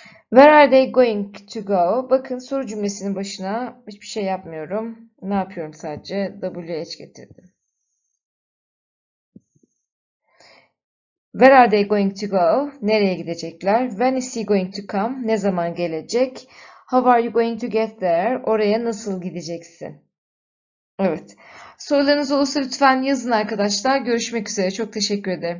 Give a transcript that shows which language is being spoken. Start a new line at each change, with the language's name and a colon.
English: Where are they going to go?
Turkish: Bakın soru cümlesinin başına hiçbir şey yapmıyorum. Ne yapıyorum sadece? WH getirdim.
English: Where are they going to go?
Turkish: Nereye gidecekler?
English: When is he going to come?
Turkish: Ne zaman gelecek?
English: How are you going to get there?
Turkish: Oraya nasıl gideceksin? Evet. Sorularınız olursa lütfen yazın arkadaşlar. Görüşmek üzere. Çok teşekkür ederim.